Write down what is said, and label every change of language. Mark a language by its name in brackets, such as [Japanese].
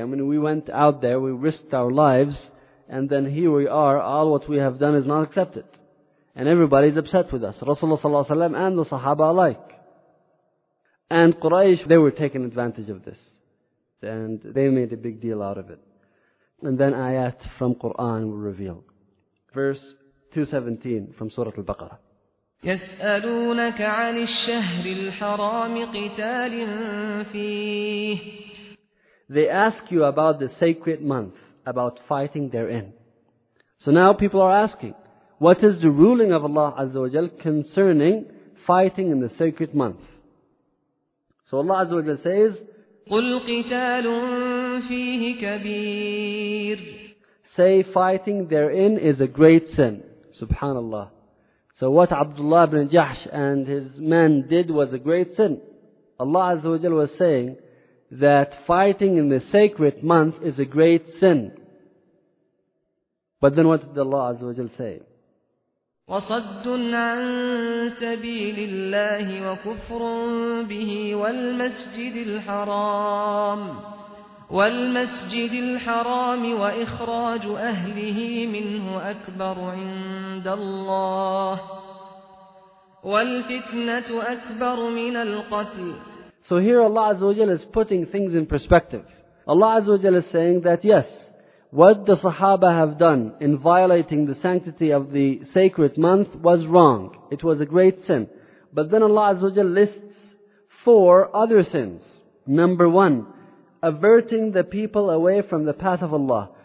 [English] I mean, we went out there, we risked our lives, and then here we are, all what we have done is not accepted. And everybody is upset with us, Rasulullah Sallallahu Alaihi Wasallam and the Sahaba alike. And Quraysh, they were taking advantage of this. And they made a big deal out of it. And then ayat from Quran were revealed. Verse 217 from Surah Al-Baqarah. [Arabic] يسألونك عن الشهر الحرام قتال فيه. [English] They ask you about the sacred month, about fighting therein. So now people are asking, what is the ruling of Allah Azza wa Jal concerning fighting in the sacred month? So Allah Azza wa Jal says, [Arabic] قُلْ قِتَالٌ فِيهِ كَبِيرٌ. [English] Say, fighting therein is a great sin. Subhanallah. So what Abdullah ibn Jahsh and his men did was a great sin. Allah Azza wa Jal was saying that fighting in the sacred month is a great sin. But then what did Allah Azza wa Jal say? [Arabic] وَصَدٌ عَن سَبِيلِ اللَّهِ وَكُفْرٌ بِهِ وَالْمَسْجِدِ الْحَرَامِ والمسجد الحرام وإخراج أهله منه أكبر عند الله والفتنة أكبر من القتل. [English] So here Allah Azza wa Jalla is putting things in perspective. Allah Azza wa Jalla is saying that yes, what the Sahaba have done in violating the sanctity of the sacred month was wrong. It was a great sin. But then Allah Azza wa Jalla lists 4 other sins. Number 1, averting the people away from the path of Allah.